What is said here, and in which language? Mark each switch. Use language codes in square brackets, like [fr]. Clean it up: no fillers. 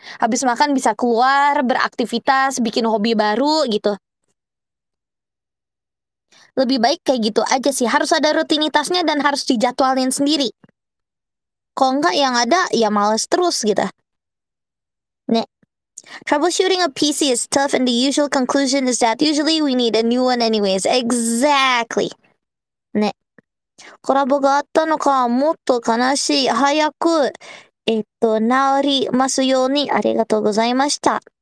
[id] Habis makan bisa keluar, beraktivitas, bikin hobi baru gitu. Lebih baik kayak gitu aja sih. Harus ada rutinitasnya dan harus dijadwalin sendiri. Kalau enggak yang ada, ya males terus gitu. Nek. [en] Troubleshooting a PC is tough and the usual conclusion is that usually we need a new one anyways. Exactly. ね。 [ja] コラボがあったのかもっと悲しい。早く、治りますようにありがとうございました。